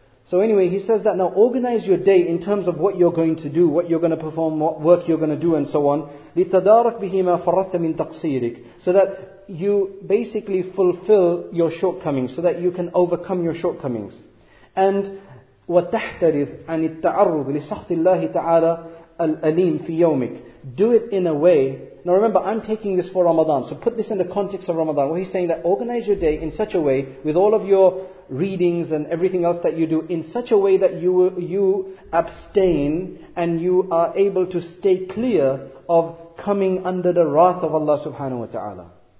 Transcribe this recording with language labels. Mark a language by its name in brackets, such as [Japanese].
[English] So anyway, he says that now organize your day in terms of what you're going to do, what you're going to perform, what work you're going to do, and so on. [Arabic] لِتَدَارَكْ بِهِمَا فَرَّتَ مِنْ تَقْصِيرِكْ [English] So that you basically fulfill your shortcomings, so that you can overcome your shortcomings. [Arabic] And وَتَحْتَرِضْ عَنِ التَّعَرُّضِ لِسَخْطِ اللَّهِ تَعَالَى الْأَلِيمِ فِي يَوْمِكْ [English] Do it in a way. Now remember, I'm taking this for Ramadan. So put this in the context of Ramadan. What he's saying that organize your day in such a way with all of your readings and everything else that you do in such a way that you abstain and you are able to stay clear of coming under the wrath of Allah subhanahu wa ta'ala.